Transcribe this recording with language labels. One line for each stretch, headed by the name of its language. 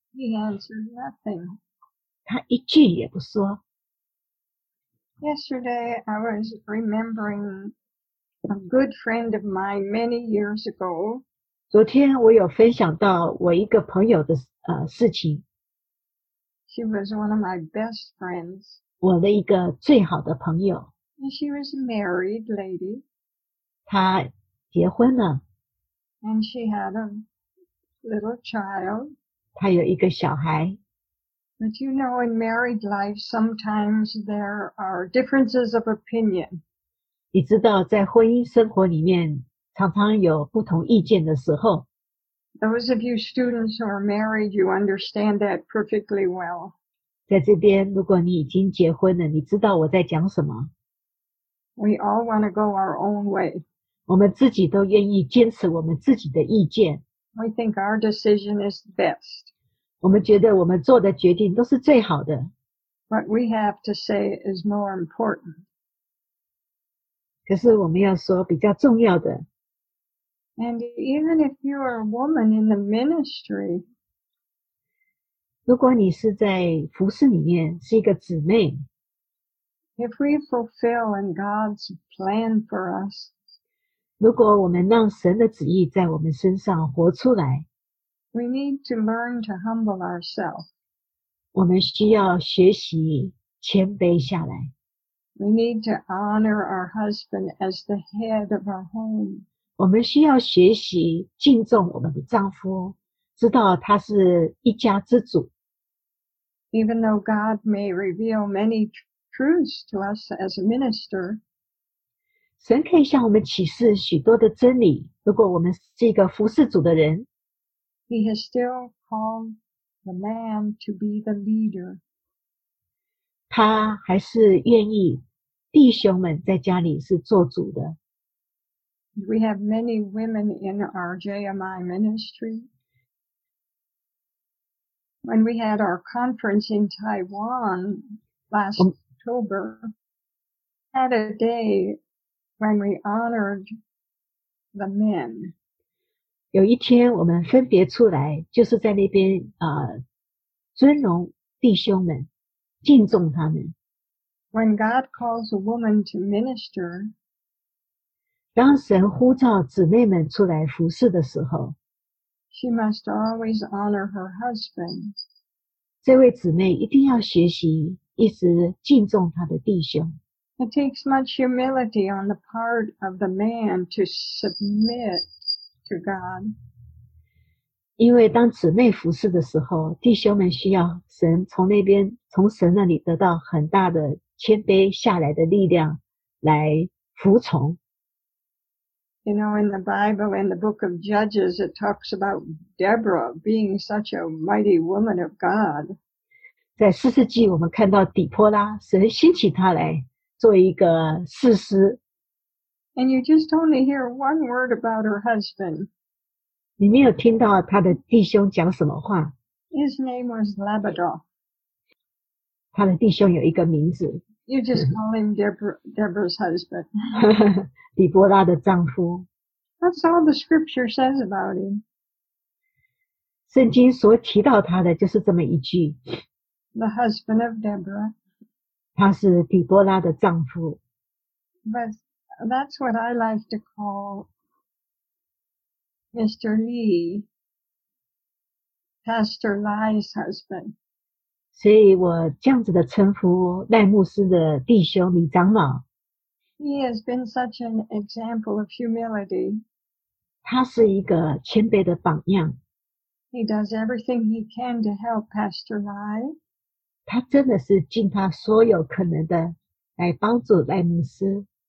English: He answered nothing.
Chinese: 他一句也不说。
English: Yesterday I was remembering a good friend of mine many years ago.
Chinese: 昨天我有分享到我一个朋友的事情。
English: She was one of my best friends.
Chinese: 我的一个最好的朋友。
English: And she was a married lady.
Chinese: 她结婚了。
English: And she had a little child.
Chinese: 她有一个小孩。
English: But you know, in married life, sometimes there are differences of opinion.
Chinese: 你知道，在婚姻生活里面，常常有不同意见的时候。
English: Those of you students who are married, you understand that perfectly well.
Chinese: 在这边，如果你已经结婚了，你知道我在讲什么。
English: We all want to go our own way.
Chinese: 我们自己都愿意坚持我们自己的意见。
English: We think our decision is best.
Chinese: 我们觉得我们做的决定都是最好的。
English: What we have to say is more important.
Chinese: 可是我们要说比较重要的。
English: And even if you are a woman in the ministry,
Chinese: 如果你是在服事里面，是一个姊妹。
English: If we fulfill in God's plan for us,
Chinese: 如果我们让神的旨意在我们身上活出来，
English: we need to learn to humble ourselves.
Chinese: 我们需要学习谦卑下来。
English: We need to honor our husband as the head of our home.
Chinese: 我们需要学习敬重我们的丈夫，知道他是一家之主。
English: Even though God may reveal many truths to us as a minister,
Chinese: 神可以向我们启示许多的真理，如果我们是一个服事主的人。
English: He has still called the man to be the leader.
Chinese: 他还是愿意弟兄们在家里是做主的。
English: We have many women in our JMI ministry. When we had our conference in Taiwan last October, we had a day when we honored the men.
Chinese: 有一天我们分别出来，就是在那边尊荣弟兄们，敬重他们。
English: When God calls a woman to minister,
Chinese: 当神呼召姊妹们出来服事的时候，
English: she must always honor her husband.
Chinese: 这位姊妹一定要学习一直敬重他的弟兄。
English: It takes much humility on the part of the man to submit to God.
Chinese: 因为当姊妹服事的时候，弟兄们需要神从那边，从神那里得到很大的谦卑下来的力量来服从。
English: You know, in the Bible, in the book of Judges, it talks about Deborah being such a mighty woman of God.
Chinese: 在士师记我们看到底波拉，神兴起她来做一个士师。
English: And you just only hear one word about her husband.
Chinese: 你没有听到她的弟兄讲什么话。
English: His name was Labadoff.
Chinese: 她的弟兄有一个名字。
English: You just call him Deborah's husband.
Chinese: 底波拉的丈夫。
English: That's all the scripture says about him.
Chinese: 圣经所提到他的就是这么一句。
English: The husband of Deborah.
Chinese: 他是底波拉的丈夫。
English: But that's what I like to call Mr. Lee, Pastor Lai's husband.
Chinese: 所以我这样子的称呼赖牧师的弟兄李长老。
English: He has been such an example of humility.
Chinese: 他是一个谦卑的榜样。
English: He does everything he can to help Pastor Lai.
Chinese: 他真的是尽他所有可能的来帮助赖牧师。